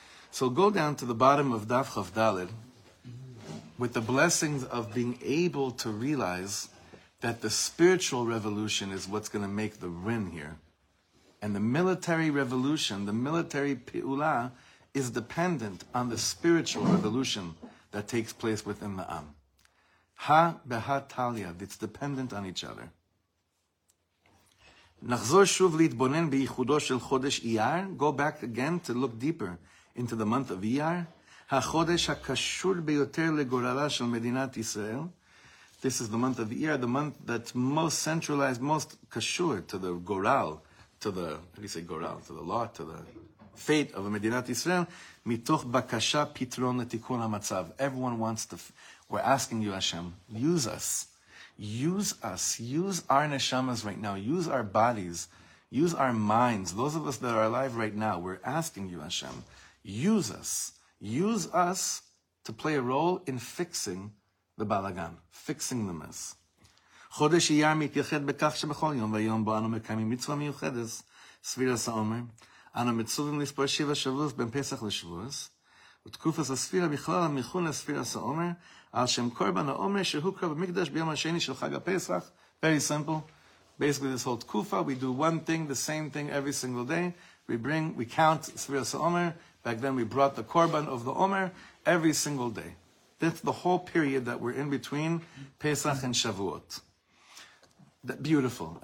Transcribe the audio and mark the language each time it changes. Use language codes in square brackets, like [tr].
[en] So go down to the bottom of Daf Chav Dalet with the blessings of being able to realize that the spiritual revolution is what's going to make the win here. And the military revolution, the military [he] pi'ula, [en] is dependent on the spiritual revolution that takes place within the Am. [he] Ha beha talia, [en] it's dependent on each other. [he] נחזור שוב להתבונן בייחודו של חודש אייר. [en] Go back again to look deeper into the month of Iyar. [he] החודש הקשור ביותר לגורלה של מדינת ישראל. [en] This is the month of Iyar, the month that's most centralized, most קשור to the goral, to the, how do you say goral, to the law, to the fate of מדינת ישראל. [he] מתוך בקשה פתרון לתיקון המצב. [en] Everyone wants to, we're asking you, Hashem, use us. Use us, use our neshamas right now, use our bodies, use our minds. Those of us that are alive right now, we're asking you, Hashem, use us to play a role in fixing the balagan, fixing the mess. [he] Chodesh Iyar mityached bekach shebechol yom v'yom bo anu mekayim mitzvah miyuchedes, Sfiras HaOmer, anu mitzuvim lispor shiva shavuos ben Pesach l'shavuos, ותקופת הספירה בכלל המכון לספירת העומר, על שם קורבן העומר שהוקרא במקדש ביום השני של חג הפסח. [en] Very simple. Basically, this whole תקופה, we do one thing, the same thing every single day. We count ספירת העומר. Back then, we brought the korban of the omer every single day. That's the whole period that we're in between Pesach and Shavuot. That, beautiful.